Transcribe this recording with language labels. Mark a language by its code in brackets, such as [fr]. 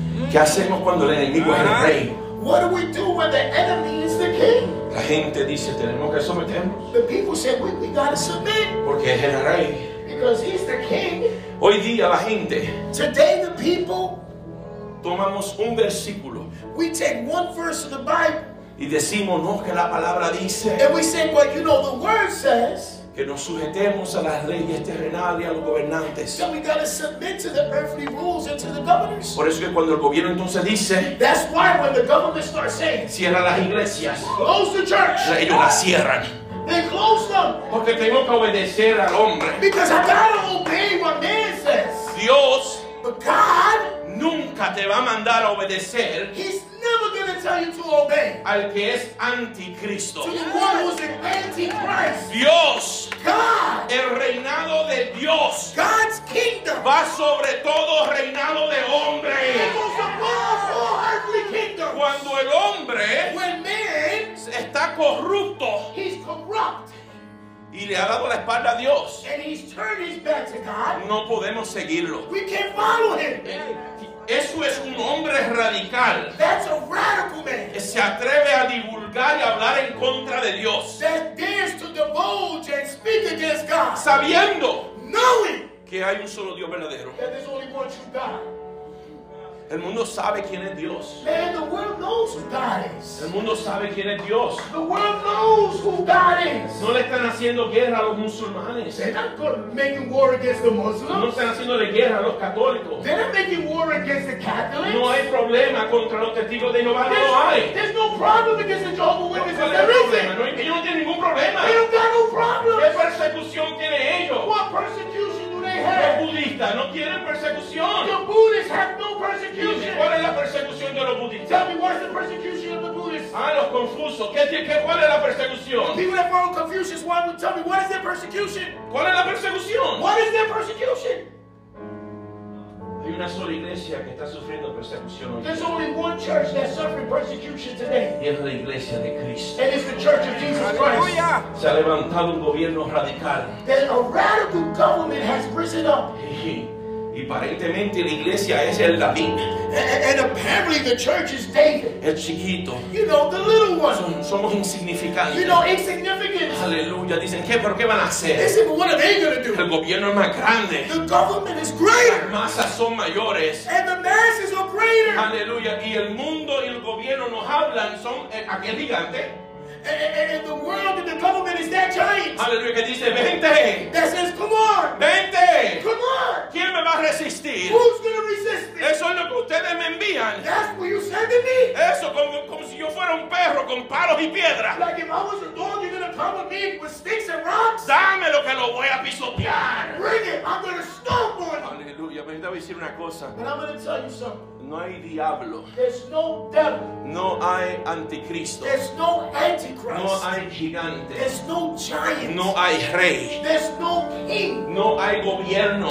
[es] ¿Qué hacemos cuando el enemigo es el rey? [en] What do we do when the enemy is the king? [es] La gente dice, tenemos que someternos. [en] The people say we gotta submit. [es] Porque es el rey. [en] Because he's the king. [es] Hoy día la gente. [en] Today the people. [es] Tomamos un versículo. [en] We take one verse of the Bible. [es] Y decimos, no, que la palabra dice. [en] And we say, well, you know, the word says. [es] Que nos sujetemos a las leyes terrenales y a los gobernantes. [en] So we gotta submit to the earthly rules and to the governors. [es] Por eso que cuando el gobierno entonces dice. [en] That's why when the government starts saying. [es] Cierra las iglesias. [en] Close the church. [es] Ellos las cierran. [en] They close them. [es] Porque tengo que obedecer al hombre. [en] Because I gotta obey what man says. [es] Dios. [en] But God. [es] Nunca te va a mandar a obedecer. [en] He's never gonna tell you to obey. [es] Al que es anticristo. [en] To the one who's an antichrist. [es] Dios. [en] God. [es] El reinado de Dios. [en] God's kingdom. [es] Va sobre todo reinado de hombre. [en] It goes above all earthly kingdoms. [es] Cuando el hombre. [en] When man. [es] Está corrupto. [en] He's corrupt. [es] Y le ha dado la espalda a Dios. [en] And he's turned his back to God. [es] No podemos seguirlo. [en] We can't follow him. [es] Eso es un hombre radical. [en] That's a radical man. [es] Que se atreve a divulgar y hablar en contra de Dios. [en] That dares to divulge and speak against God. [es] Sabiendo. [en] Knowing. [es] Que hay un solo Dios verdadero. [en] That there's only one true God. [es] El mundo sabe quién es Dios. [en] Man, the world knows who God is. [es] El mundo sabe quién es Dios. [en] The world knows who God is. [es] No le están haciendo guerra a los musulmanes. [en] They're not making war against the Muslims. [es] No están haciéndole guerra a los católicos. [en] They're not making war against the Catholics. [es] No hay problema contra los testigos de Jehová. [en] There's, [es] no hay. [en] There's no problem against the Jehovah's Witnesses. No, there isn't. [es] No, ellos no tienen ningún problema. [en] They don't got no problem. [es] ¿Qué persecución tienen ellos? [en] What persecution do they have? [es] Los budistas no tienen persecución. [en] The Buddhists have no persecution. [es] ¿Cuál es la persecución de los budistas? [en] Tell me, what is the persecution of the Buddhists? [es] Ah, los confusos. ¿Qué, cuál es la persecución? [en] The people that follow Confucius, why would tell me, what is their persecution? [es] ¿Cuál es la persecución? [en] What is their persecution? [es] Hay una sola iglesia que está sufriendo persecución hoy. [en] There's only one church that's suffering persecution today. [es] Y es la iglesia de Cristo. [en] And it's the church of Jesus Christ. [es] Se ha levantado un gobierno radical. [en] That a radical government has risen up. [es] Y aparentemente la iglesia es el David. [en] And apparently the church is David. [es] El chiquito. [en] You know, the little one. [es] Somos insignificantes. [en] You know, insignificant. [es] Aleluya. Dicen, ¿qué? ¿Pero qué van a hacer? [en] They say, but what are they going to do? [es] El gobierno es más grande. [en] The government is greater. [es] Las masas son mayores. [en] And the masses are greater. [es] Aleluya. Y el mundo y el gobierno nos hablan, son aquel gigante. [en] And the world and the government is that giant. [es] Hallelujah, que dice, vente. [en] That says, come on. [es] Vente. [en] Come on. [es] ¿Quién me va a resistir? [en] Who's going to resist me? [es] Eso es lo que ustedes me envían. [en] That's what you send to me. [es] Eso, como si yo fuera un perro con palos y piedras. [en] Like if I was a dog, you're going to come with me with sticks and rocks. [es] Dame lo que lo voy a pisotear. [en] Bring it. I'm going to stomp on it. [es] Hallelujah, pero te voy a decir una cosa. [en] But I'm going to tell you something. [es] No hay diablo. [en] There's no devil. [es] No hay anticristo. [en] There's no antichrist. [es] No hay gigante. [en] There's no giant. [es] No hay rey. [en] There's no king. [es] No hay gobierno.